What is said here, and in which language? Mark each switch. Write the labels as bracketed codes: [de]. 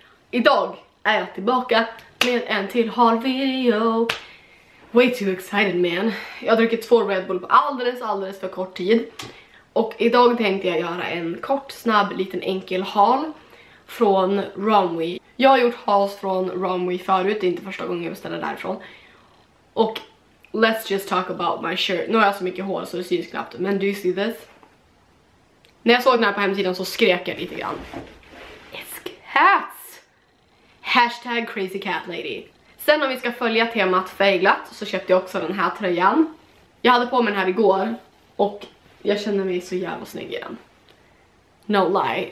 [sv] Idag är jag tillbaka med en till halvvideo. [en] Way too excited, man. [sv] Jag har druckit 2 Red Bull på alldeles för kort tid. Och idag tänkte jag göra en kort, snabb, liten enkel haul från Romwe. Jag har gjort hauls från Romwe förut, det är inte första gången jag beställer därifrån. [en] Och let's just talk about my shirt. [sv] Nu har jag så mycket hår så det syns knappt, men [en] do you see this? [sv] När jag såg den här på hemsidan så skrek jag lite grann. [en] It's cats! Hashtag crazy cat lady. [sv] Sen om vi ska följa temat färgglatt så köpte jag också den här tröjan. Jag hade på mig den här igår och jag känner mig så jävla snygg i den. [en] No lie.